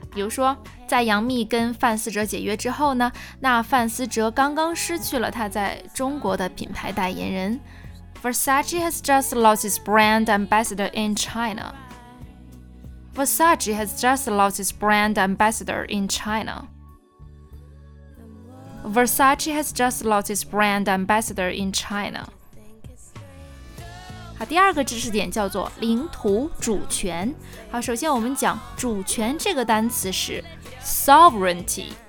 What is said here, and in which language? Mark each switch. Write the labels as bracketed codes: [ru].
[zh] 比如说在杨幂跟范思哲解约之后呢，那范思哲刚刚失去了他在中国的品牌代言人。 [en] Versace has just lost its brand ambassador in China. Versace has just lost its brand ambassador in China. Versace has just lost its brand ambassador in China. [zh] 好，第二个知识点叫做领土主权。好，首先我们讲主权这个单词是 sovereignty。